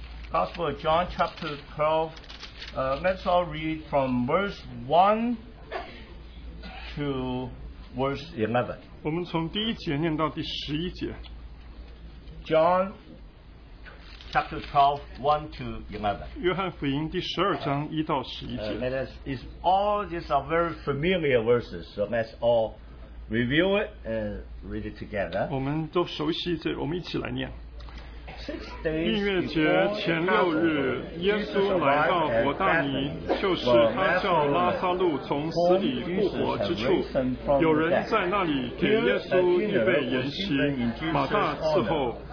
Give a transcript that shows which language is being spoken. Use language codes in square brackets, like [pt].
[en] Gospel of John, chapter 12. Let's all read from verse 1 to verse 11. [zh] 我们从第一节念到第十一节。 [en] John, chapter 12, 1 to 11. [zh] 约翰福音第十二章一到十一节。 [en] All these are very familiar verses, so let's all review it and read it together. [zh] 我们都熟悉这，我们一起来念。逾越节前六日，耶稣来到伯大尼，就是他叫拉撒路从死里复活之处。有人在那里给耶稣预备筵席，马大伺候。